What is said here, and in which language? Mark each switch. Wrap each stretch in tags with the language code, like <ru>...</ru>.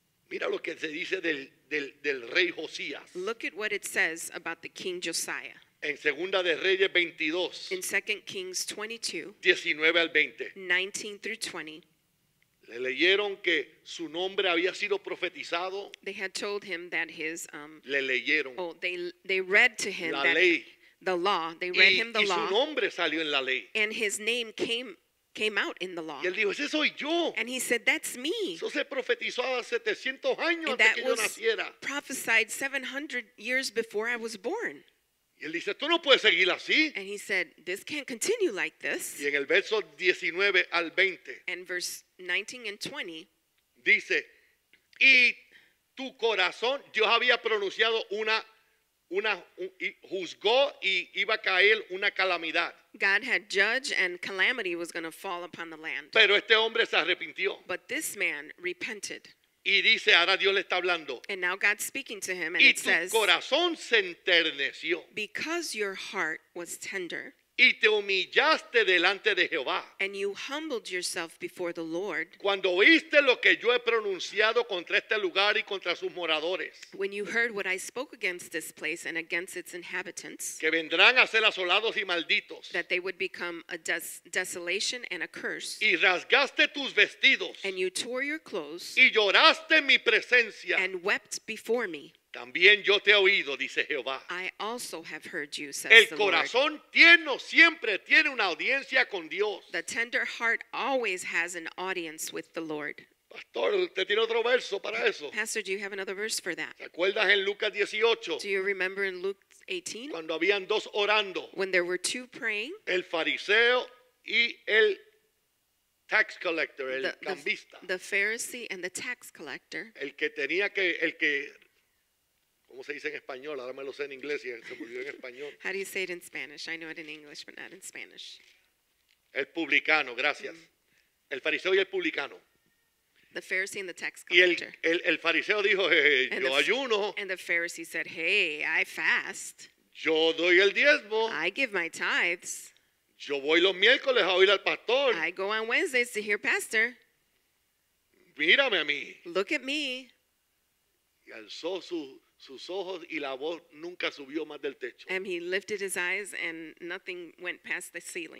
<es>Mira lo que se dice del rey Josías.</es> <en>Look at what it says about the king Josiah.</en> <es>En Segunda de Reyes 22.</es> <en>In 2 Kings 22.</en> <es>19 al 20.</es> <en>19 through 20.</en> <es>Le leyeron que su nombre había sido profetizado.</es> <en>They had told him that his</en> <es>le leyeron.</es> <en>Oh, they read to him</en> <es>la ley.</es> <en>The law. They read</en> <es>y,</es> <en>him the</en> <es>y</es> <en>law.</en> <es>Y su nombre salió en la ley.</es> <en>And his name came out in the law.</en> <es>Y él dijo, ese soy yo.</es> <en>And he said, that's me.</en> <es>Eso se profetizó hace 700 años antes que yo naciera.</es> <en>And that was prophesied 700 years before I was born.</en> <es>Y él dice, tú no puedes seguir así.</es> <en>And he said, this can't continue like this.</en> <es>Y en el verso 19 al 20.</es> <en>And verse 19 and 20.</en> <es>Dice, y tu corazón, Dios había pronunciado y juzgó y iba a caer una calamidad.</es> <en>God had judged and calamity was going to fall upon the land.</en> <es>Pero este hombre se arrepintió.</es> <en>But this man repented.</en> <es>Y dice, ahora Dios le está hablando.</es> <en>And now God's speaking to him and it says,</en> <es>y tu corazón se enterneció.</es> <en>Because your heart was tender.</en> <es>Y te humillaste delante de Jehová.</es> <en>And you humbled yourself before the Lord.</en> <es>Cuando oíste lo que yo he pronunciado contra este lugar y contra sus moradores.</es> <en>When you heard what I spoke against this place and against its inhabitants.</en> <es>Que vendrán a ser asolados y malditos.</es> <en>That they would become a desolation and a curse.</en> <es>Y rasgaste tus vestidos.</es> <en>And you tore your clothes.</en> <es>Y lloraste en mi presencia.</es> <en>And wept before me.</en> <es>También yo te he oído, dice Jehová.</es> <en>I also have heard you, says</en> <es>el corazón tierno siempre tiene una audiencia con Dios.</es> <en>The tender heart always has an audience with the Lord.</en> <es>Pastor, ¿usted tiene otro verso para eso?</es> <en>Pastor, do you have another verse for that?</en> <es>¿Te acuerdas en Lucas 18?</es> <en>Do you remember in Luke 18?</en> <es>Cuando habían dos orando.</es> <en>When there were two praying.</en> <es>El fariseo y el</es> <en>tax collector,</en> <es>el cambista.</es> <en>The Pharisee and the tax collector.</en> <es>El que tenía que, el que ¿cómo se dice en español? Ahora me lo sé en inglés y se murió en español.</es> <en>How do you say it in Spanish? I know it in English, but not in Spanish.</en> <es>El publicano, gracias. Mm-hmm. El fariseo y el publicano.</es> <en>The Pharisee and the tax collector.</en> <es>Y el fariseo dijo, hey, yo ayuno.</es> <en>And the Pharisee said, hey, I fast.</en> <es>Yo doy el diezmo.</es> <en>I give my tithes.</en> <es>Yo voy los miércoles a oír al pastor.</es> <en>I go on Wednesdays to hear pastor.</en> <es>mírame a mí.</es> <en>Look at me.</en> <es>Y alzó sus ojos y la voz nunca subió más del techo.</es> <en>And he lifted his eyes and nothing went past the ceiling.</en>